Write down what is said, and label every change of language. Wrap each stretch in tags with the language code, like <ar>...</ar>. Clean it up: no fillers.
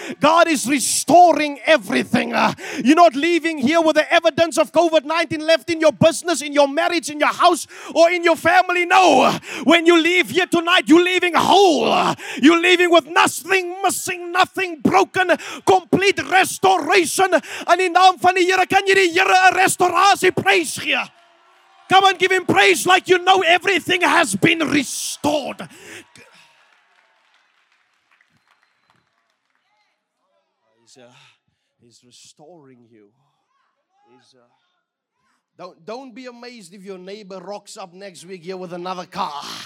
<en>God is restoring everything. You're not leaving here with the evidence of COVID-19 left in your business, in your marriage, in your house, or in your family. No. When you leave here tonight, you're leaving whole. You're leaving with nothing missing, nothing broken, complete restoration.</en> <af>In die naam van die Here, kan jy die Here 'n restaurasie prys gee?</af> <en>Come and give him praise like you know everything has been restored. He's restoring you. Don't be amazed if your neighbor rocks up next week here with another car.</en>